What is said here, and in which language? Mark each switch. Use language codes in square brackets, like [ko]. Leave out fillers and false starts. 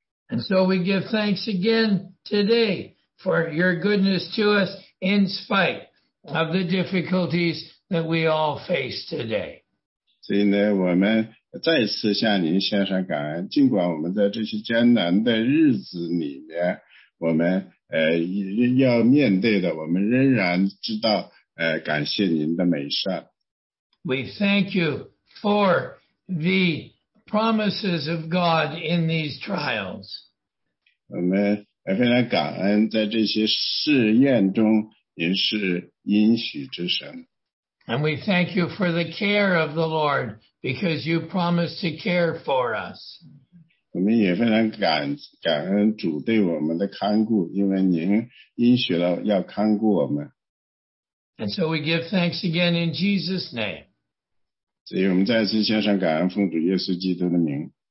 [en] And so we give thanks again today for your goodness to us in spite of the difficulties that we all face today. [zh] 所以呢，我们再次向您献上感恩，尽管我们在这些艰难的日子里面，我们要面对的，我们仍然知道感谢您的美善。 [en] We thank you for the promises of God in these trials. [zh] 我们非常感恩在这些试验中您是应许之神。 [en] And we thank you for the care of the Lord because you promised to care for us. [zh] 我们也非常感恩主对我们的看顾，因为您应许了要看顾我们。 [en] And so we give thanks again in Jesus' name. [zh] 所以我们再次献上感恩，奉主耶稣基督的名。